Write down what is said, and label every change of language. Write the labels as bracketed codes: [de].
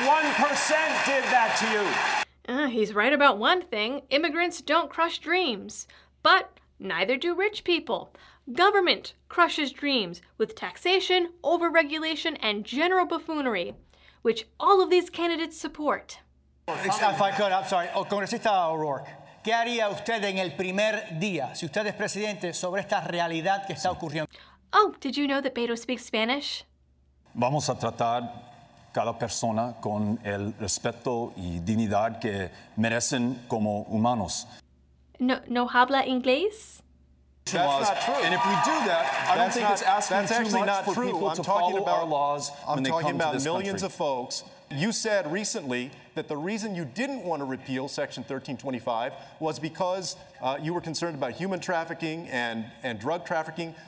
[en] The 1% did that to you. He's right about one thing. Immigrants don't crush dreams. But neither do rich people. Government crushes dreams with taxation, overregulation, and general buffoonery, which all of these candidates support. If I could, I'm sorry. [es] Oh, Congresista O'Rourke, ¿qué haría usted en el primer día, si usted es presidente, sobre esta realidad que está ocurriendo? [en] Oh, did you know that Beto speaks Spanish? [es] Vamos a tratar cada persona con el respeto y dignidad que merecen como humanos. No habla inglés? [en] That's not true. And if we do that, I don't think it's asking too much for people to follow our laws when they come to this country. I'm talking about millions of folks. You said recently that the reason you didn't want to repeal Section 1325 was because you were concerned about human trafficking and drug trafficking.